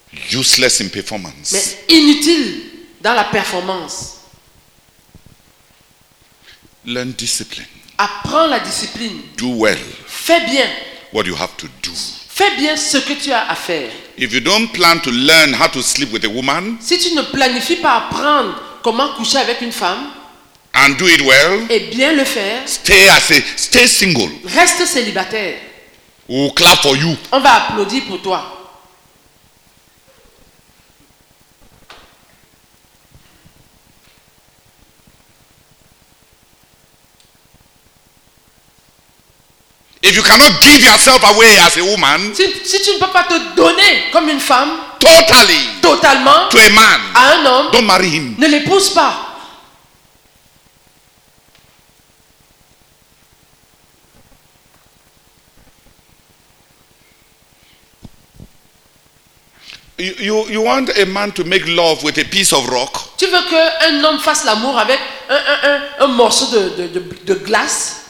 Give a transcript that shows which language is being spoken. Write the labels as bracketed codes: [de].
[en] Useless in performance. [fr] Mais inutile dans la performance. [en] Learn discipline. [fr] Apprends la discipline. [en] Do well. [fr] Fais bien. [en] What you have to do. [fr] Fais bien ce que tu as à faire. [en] If you don't plan to learn how to sleep with a woman, [fr] si tu ne planifies pas apprendre comment coucher avec une femme, [en] and do it well, [fr] et bien le faire, [en] stay single. [fr] Reste célibataire. [en] We'll clap for you. [fr] On va applaudir pour toi. [en] If you cannot give yourself away as a woman, [fr] si tu ne peux pas te donner comme une femme, [en] totally, [fr] totalement, [en] to a man, [fr] à un homme, [en] don't marry him. [fr] Ne l'épouse pas. [en] You want a man to make love with a piece of rock? [fr] Tu veux que un homme fasse l'amour avec un morceau de glace?